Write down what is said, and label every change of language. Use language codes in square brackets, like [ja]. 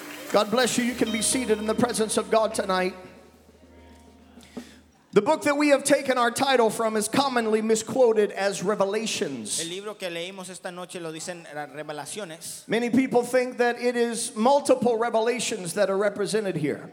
[en] God bless you. You can be seated in the presence of God tonight. The book that we have taken our title from is commonly misquoted as Revelations. [es] El libro que leímos esta noche lo dicen Revelaciones. [en] Many people think that it is multiple revelations that are represented here.